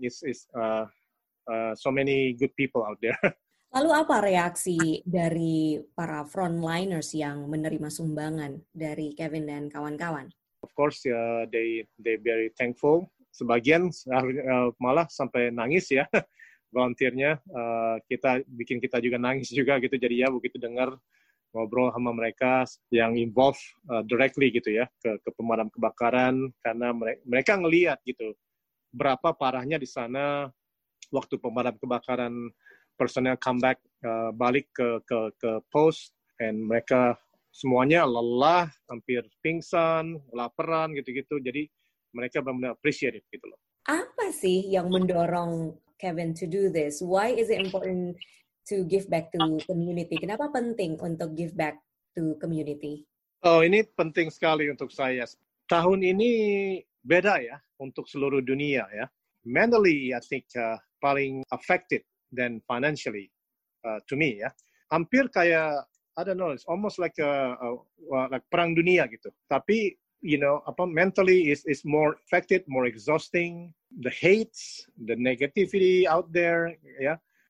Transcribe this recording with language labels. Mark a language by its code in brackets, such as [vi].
[en] It's so many good people out there. [id] Lalu apa reaksi dari para frontliners yang menerima sumbangan dari Kevin dan kawan-kawan? [en] Of course, they very thankful. [id] Sebagian malah sampai nangis ya, volunteer-nya. Kita juga nangis juga gitu. Jadi ya begitu dengar ngobrol sama mereka yang involved directly gitu ya ke pemadam kebakaran, karena mereka ngelihat gitu berapa parahnya di sana waktu pemadam kebakaran personel comeback balik ke post, and mereka semuanya lelah, hampir pingsan, laparan gitu-gitu. Jadi mereka benar-benar appreciate it, gitu loh. Apa sih yang mendorong Kevin to do this? [en] Why is it important to give back to community? [id] Kenapa penting untuk give back to community? Oh, ini penting sekali untuk saya. Tahun ini beda ya untuk seluruh dunia ya. [en] Mentally, I think paling affected than financially to me ya. [id] Hampir kayak, [en] I don't know, it's almost like like [id] perang dunia gitu. [en] Tapi you know, apa, mentally is more affected, more exhausting. The hates, the negativity out there, yeah.